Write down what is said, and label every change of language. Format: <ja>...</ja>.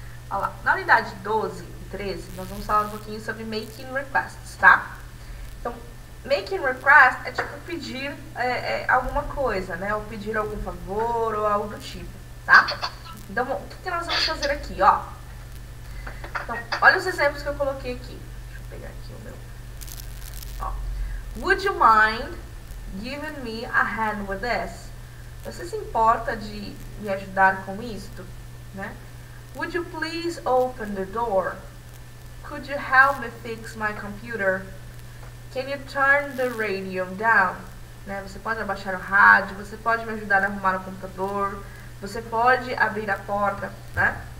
<pt>Olha lá. Na unidade 12 e 13, nós vamos falar um pouquinho sobre making requests, tá? Making request é tipo pedir alguma coisa, né? Ou pedir algum favor ou algo do tipo, tá? Então, o que nós vamos fazer aqui, ó? Então, olha os exemplos que eu coloquei aqui. Deixa eu pegar aqui o meu. Ó.</pt> <en>Would you mind giving me a hand with this?</en> <pt>Você se importa de me ajudar com isto, né?</pt> <en>Would you please open the door? Could you help me fix my computer? Can you turn the radio down? Né?</en> <pt>Você pode abaixar o rádio, você pode me ajudar a arrumar o computador, você pode abrir a porta, né?</pt>